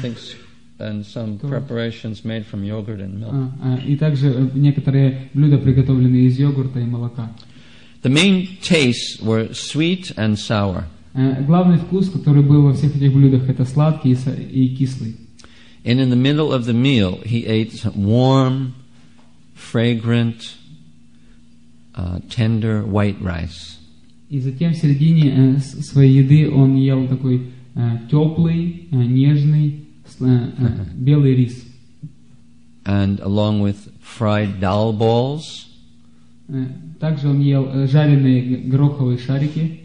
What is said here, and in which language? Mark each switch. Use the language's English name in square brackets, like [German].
[English] things, and some preparations made from yogurt and milk. [Russian] И также некоторые блюда, приготовленные из йогурта и молока. [English] The main tastes were sweet and sour. [Russian] Главный вкус, который был во всех этих блюдах, это сладкий и кислый. [English] And in the middle of the meal, he ate warm, fragrant, tender white rice. [Russian] И затем в середине своей еды он ел такой теплый, нежный, белый рис. [English] And along with fried dal balls. [Russian] Также он ел жареные гороховые шарики.